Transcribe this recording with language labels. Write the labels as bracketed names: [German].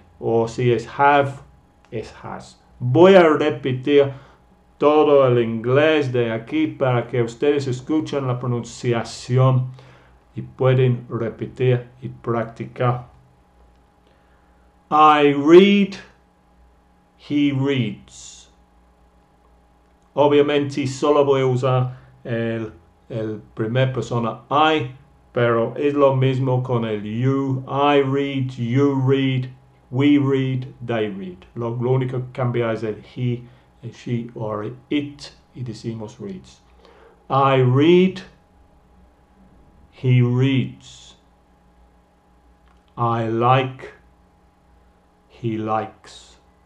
[Spanish] O si es have, es has. Voy a repetir todo el inglés de aquí para que ustedes escuchen la pronunciación y pueden repetir y practicar. [English] I read, he reads. [Spanish] Obviamente solo voy a usar el primer persona I, pero es lo mismo con el you. [English] I read, you read, we read, they read. [Spanish] Lo único que cambia es el he, el [English] she or it, [Spanish] y decimos reads. [English] I read, he reads. I like, he likes.